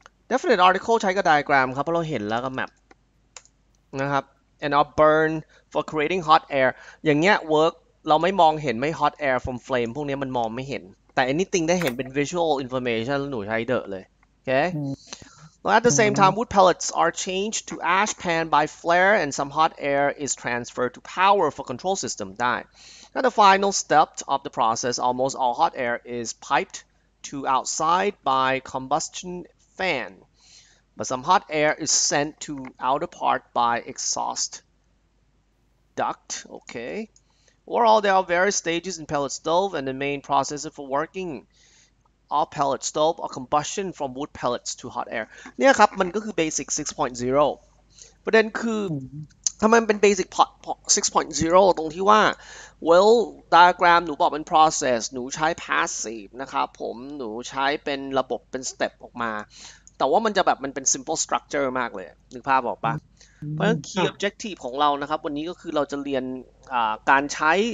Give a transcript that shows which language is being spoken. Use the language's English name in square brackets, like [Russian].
[English] definite article [Thai] ใช้กับไดอะแกรมครับเพราะเราเห็นแล้วกับแมปนะครับ [English] and are burned for creating hot air [Thai] อย่างเงี้ย [English] work [Thai] เราไม่มองเห็นไม่ [English] hot air from flame [Thai] พวกนี้มันมองไม่เห็นแต่ [English] anything [Thai] ได้เห็นเป็น [English] visual information [Thai] หนูใช้เดอะเลยโอเค [English] At the same time, wood pellets are changed to ash pan by flare and some hot air is transferred to power for control system. Now the final step of the process, almost all hot air is piped to outside by combustion fan. But some hot air is sent to outer part by exhaust duct. Okay. Overall, there are various stages in pellet stove and the main process for working. All pellet stove or combustion from wood pellets to hot air [Thai] เนี่ยครับมันก็คือ basic 6.0 ประเด็นคือทำไมมันเป็น basic 6.0 ตรงที่ว่า [English] well diagram [Thai] หนูบอกเป็น process หนูใช้ passive นะครับผมหนูใช้เป็นระบบเป็น step ออกมาแต่ว่ามันจะแบบมันเป็น [English] simple structure [Thai] มากเลยนึกภาพออกปะเพราะฉะนั้น [English] key objective [Thai] ของเรานะครับวันนี้ก็คือเราจะเรียนการใช้